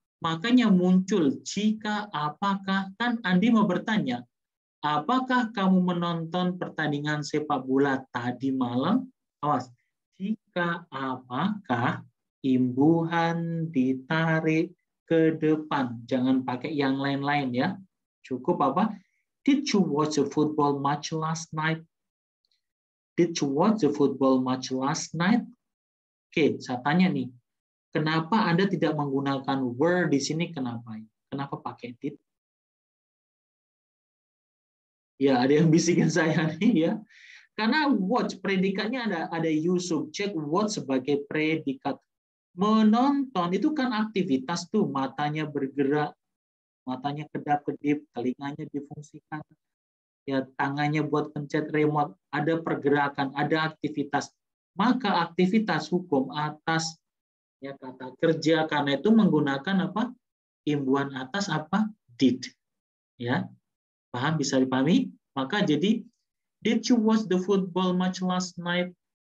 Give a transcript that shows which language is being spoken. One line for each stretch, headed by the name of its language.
Indonesian: Makanya muncul jika apakah kan Andi mau bertanya Apakah kamu menonton pertandingan sepak bola tadi malam? Awas. Jika apakah imbuhan ditarik ke depan. Jangan pakai yang lain-lain ya. Cukup apa?
English: Did you watch a football match last night? Did you watch the football match last night?
Indonesian: Oke, saya tanya nih. Kenapa Anda tidak menggunakan were di sini? Kenapa? Kenapa pakai did? Ya, ada yang bisikin saya nih ya. Karena watch predikatnya ada use subject watch sebagai predikat. Menonton itu kan aktivitas tuh, matanya bergerak, matanya kedap-kedip, telinganya difungsikan. Ya, tangannya buat pencet remote, ada pergerakan, ada aktivitas. Maka aktivitas hukum atas ya kata kerja karena itu menggunakan apa? Imbuhan atas apa? Did. Ya. Paham, bisa dipahami? Maka jadi
English: did you watch the football match last night?